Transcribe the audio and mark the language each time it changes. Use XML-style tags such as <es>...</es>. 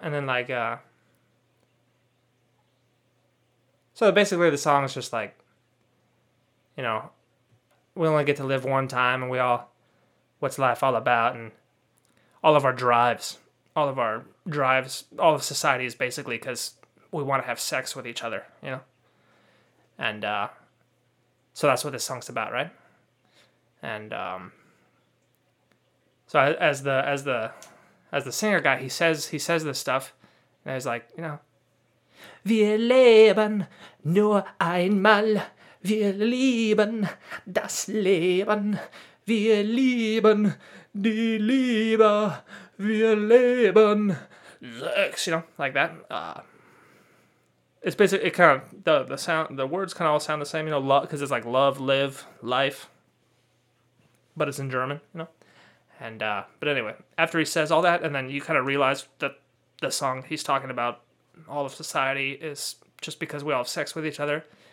<en>And then like, so basically the song is just like, you know, we only get to live one time, and we all, what's life all about, and all of our drives, all of society is basically because we want to have sex with each other, you know, and, so that's what this song's about, right, and, so as the singer guy, he says this stuff, and he's like, you know,</en> <de>wir leben nur einmal. Wir lieben das Leben, wir lieben die Liebe, wir leben</de> <en>Sex, you know, like that. It's basically, it kind of, the sound, the words kind of all sound the same, you know, love, because it's like love, live, life. But it's in German, you know? And, but anyway, after he says all that, and then you kind of realize that the song he's talking about, all of society, is just because we all have sex with each other.</en>